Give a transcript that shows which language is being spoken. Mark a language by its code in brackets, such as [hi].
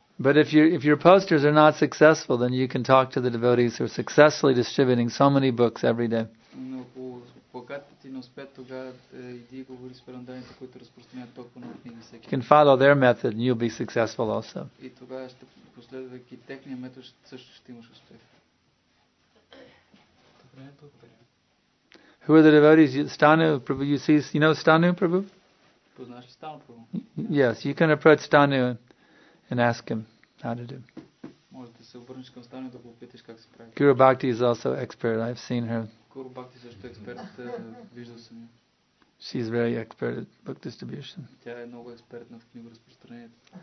[en] But if your posters are not successful, then you can talk to the devotees who are successfully distributing so many books every day. [bg] Но ако плакатите ти не успеят, тогава иди и говори с преданите, които разпространяват толкова на книги всеки. [en] You can follow their method and you'll be successful also. [bg] И тогава ще последвайки техния метод, също ще имаш успех. Добре, благодаря. [en] Who are the devotees? Stanu Prabhu, you see, you know Stanu Prabhu? [bg] Poznash Stanu Prabhu. [en] Yes, you can approach Stanu and ask him how to do. [bg] Можете се обърнеш към Стану да го питаш как се прави. [en] Guru Bhakti is also expert. I've seen her. [bg] Guru Bhakti също е експерт, виждал съм я. [en] She's very expert at book distribution. [bg] Тя е много експертна в книга разпространението.